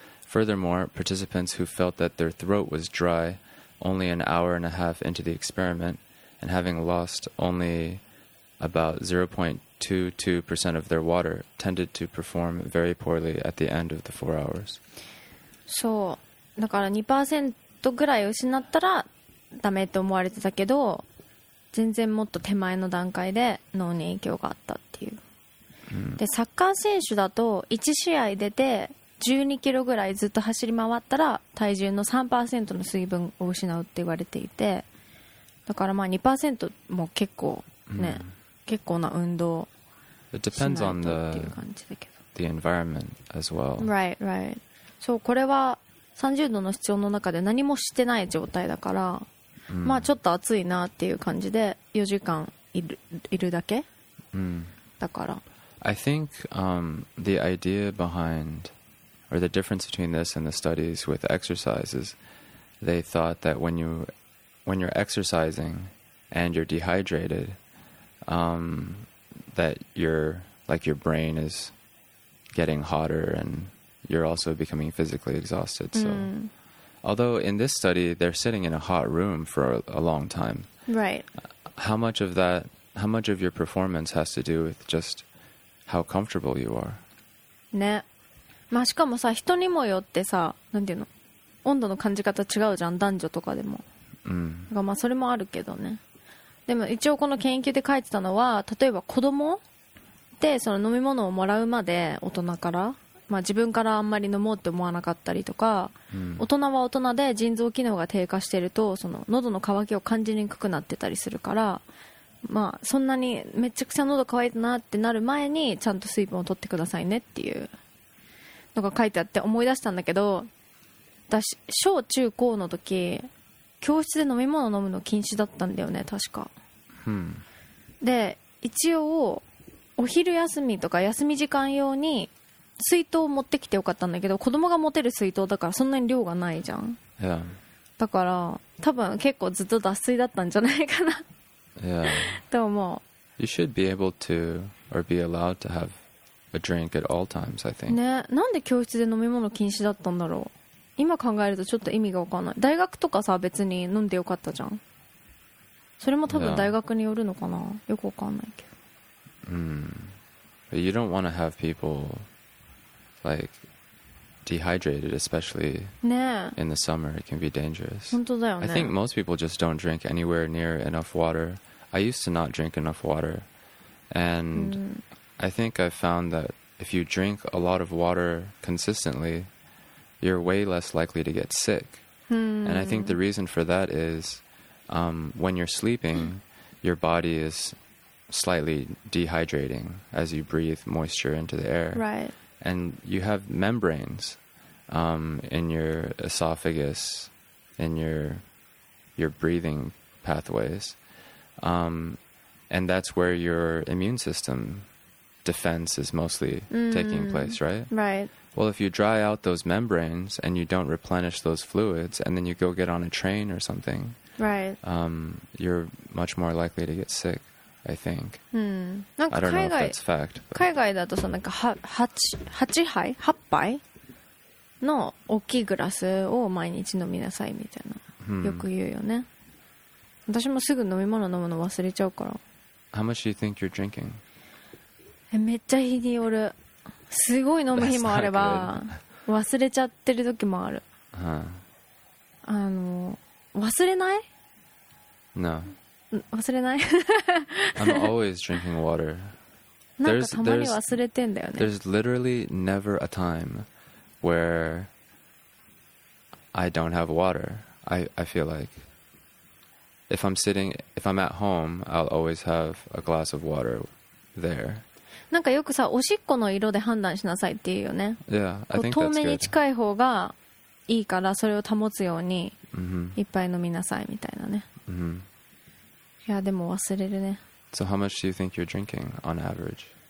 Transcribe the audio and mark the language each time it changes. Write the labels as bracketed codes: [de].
[en] Furthermore, participants who felt that their throat was dry only an hour and a half into the experiment, and having lost only about 0.22% of their water, tended to perform very poorly at the end of the 4 hours. So... [ja] だから 2% ぐらい失ったらダメって思われてたけど、全然もっと手前の段階で脳に影響があったっていう、うん、でサッカー選手だと1試合出て12キロぐらいずっと走り回ったら体重の 3% の水分を失うって言われていて、だからまあ 2% も結構ね、うん、結構な運動しないとっていう感じだけど。 [en] It depends on the environment as well. Right, right. [ja] そう、これは30度の室温の中で何もしてない状態だから、うん、まあちょっと暑いなっていう感じで4時間いるだけ、うん、だから [en] I think、the idea behind or the difference between this and the studies with exercises, they thought that when you're exercising and you're dehydrated、that you're like your brain is getting hotter andyou're also becoming physically exhausted. So,、mm. Although in this study, they're sitting in a hot room for a long time. Right. How much of your performance has to do with just how comfortable you are? [ja] ね。まあしかもさ、人にもよってさ、なんていうの、温度の感じ方違うじゃん、男女とかでも。うん。まあそれもあるけどね。でも一応この研究で書いてたのは、例えば子供でその飲み物をもらうまで大人から、まあ、自分からあんまり飲もうって思わなかったりとか、うん、大人は大人で腎臓機能が低下してるとその喉の渇きを感じにくくなってたりするから、まあ、そんなにめちゃくちゃ喉渇いたなってなる前にちゃんと水分を取ってくださいねっていうのが書いてあって思い出したんだけど、私小中高の時教室で飲み物飲むの禁止だったんだよね確か、うん、で一応お昼休みとか休み時間用に水筒を持ってきてよかったんだけど、子供が持てる水筒だからそんなに量がないじゃん、 [en] yeah. [ja] だから多分結構ずっと脱水だったんじゃないかな、 [en] yeah. [ja] と思う。 [en] You should be able to or be allowed to have a drink at all times, I think. [ja] ね、なんで教室で飲み物禁止だったんだろう、今考えるとちょっと意味が分かんない。大学とかさ別に飲んでよかったじゃん、それも多分大学によるのかな、よく分かんないけど、 [en] mm. You don't want to have peopleLike, dehydrated, especially、 [ja] ね、 [en] in the summer, it can be dangerous. [ja] 本当だよね。 [en] I think most people just don't drink anywhere near enough water. I used to not drink enough water. And、うん、I think I've found that if you drink a lot of water consistently, you're way less likely to get sick. And I think the reason for that is when you're sleeping, your body is slightly dehydrating as you breathe moisture into the air. Right. And you have membranes in your esophagus, in your breathing pathways. And that's where your immune system defense is mostly taking place, right? Right. Well, if you dry out those membranes and you don't replenish those fluids and then you go get on a train or something, right. You're much more likely to get sick, I think. I don't know if that's fact. [ja] 海外だとさ、なんか8杯の大きいグラスを毎日飲みなさいみたいな。よく言うよね。私もすぐ飲み物飲むの忘れちゃうから。 [en] How much do you think you're drinking? [ja] めっちゃ日によるすごい飲む日もあれば忘れちゃってる時もある、 [en] huh. [ja] 忘れない [en] No [ja] 忘れない [en] I'm always drinking water [ja] なんかたまに忘れてんだよね [en] There's literally never a time where I don't have water I feel likeIf I'm at home, I'll always have a glass of water there. [ja] なんかよくさ、おしっこの色で判断しなさいって言うよね。 [en] Yeah, I think that's [ja] 透明に近い方がいいから、それを保つようにいっぱい飲みなさいみたいなね。いや、でも忘れるね。 [en] So how much do you think you're drinking on average?